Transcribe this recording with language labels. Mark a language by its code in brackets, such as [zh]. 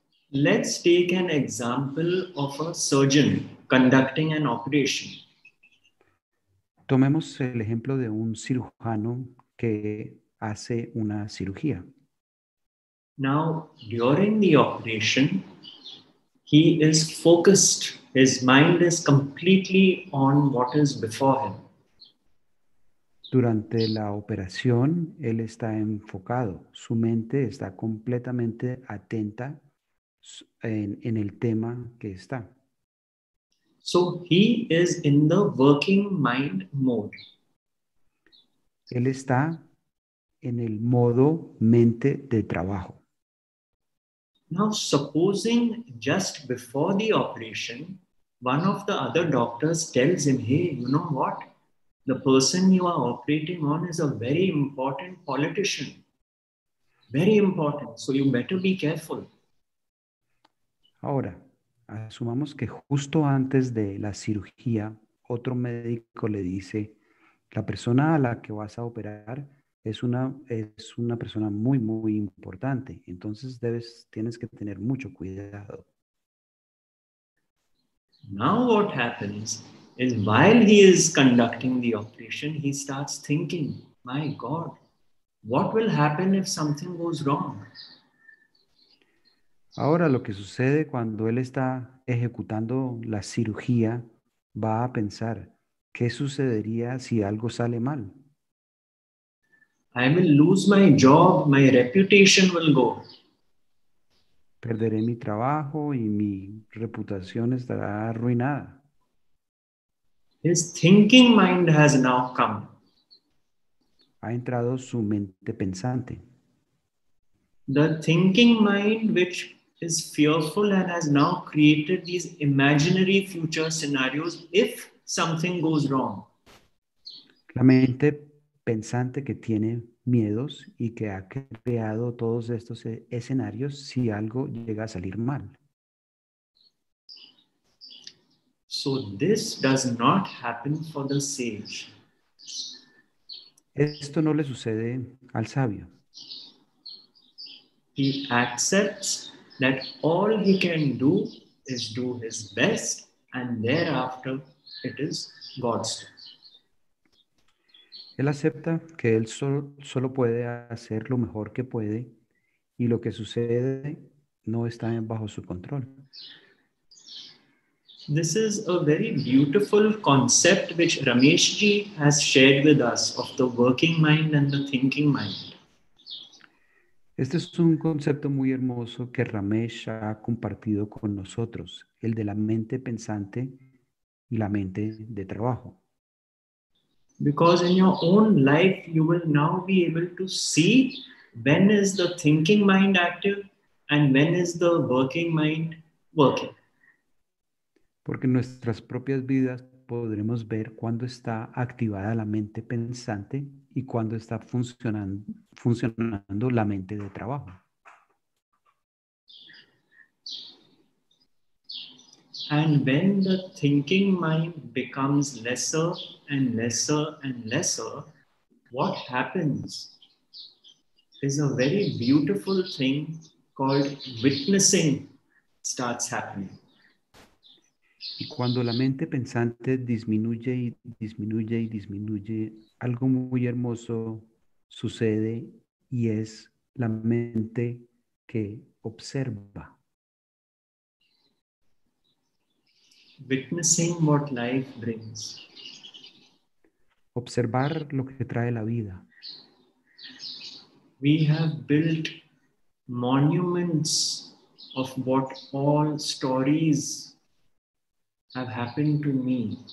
[en] Let's take an example of a surgeon conducting an operation. [es] Tomemos el ejemplo de un cirujano que hace una cirugía. [en] Now, during the operation, he is focused, his mind is completely on what is before him. [es] Durante la operación, él está enfocado. Su mente está completamente atenta en el tema que está. [en] So he is in the working mind mode. [es] Él está en el modo mente de trabajo. [en] Now supposing just before the operation, one of the other doctors tells him, hey, you know what? The person you are operating on is a very important politician. Very important. So you better be careful. [es] Ahora, asumamos que justo antes de la cirugía, otro médico le dice, la persona a la que vas a operar es una persona muy, muy importante. Entonces tienes que tener mucho cuidado. [en] Now what happens is while he is conducting the operation, he starts thinking, my God, what will happen if something goes wrong? [es] Ahora lo que sucede cuando él está ejecutando la cirugía, va a pensar, ¿qué sucedería si algo sale mal? [en] I will lose my job, my reputation will go. [es] Perderé mi trabajo y mi reputación estará arruinada. [en] His thinking mind has now come. [es] Ha entrado su mente pensante. [en] The thinking mind which is fearful and has now created these imaginary future scenarios if something goes wrong. [es] La mente pensante que tiene miedos y que ha creado todos estos escenarios si algo llega a salir mal. [en] So this does not happen for the sage. [es] Esto no le sucede al sabio. [en] He accepts that all he can do is do his best, and thereafter it is God's. [es] Él acepta que él solo puede hacer lo mejor que puede y lo que sucede no está bajo su control. [en] This is a very beautiful concept which Rameshji has shared with us of the working mind and the thinking mind. [es] Este es un concepto muy hermoso que Ramesh ha compartido con nosotros, el de la mente pensante y la mente de trabajo. [en] Because in your own life, you will now be able to see when is the thinking mind active and when is the working mind working. [es] Porque en nuestras propias vidas podremos ver cuándo está activada la mente pensante y cuándo está funcionando la mente de trabajo. [en] And when the thinking mind becomes lesser and lesser and lesser, what happens is a very beautiful thing called witnessing starts happening. [es] Y cuando la mente pensante disminuye y disminuye y disminuye, algo muy hermoso sucede y es la mente que observa. [en] Witnessing what life brings. [es] Observar lo que trae la vida. [en] We have built monuments of what all stories have happened to me.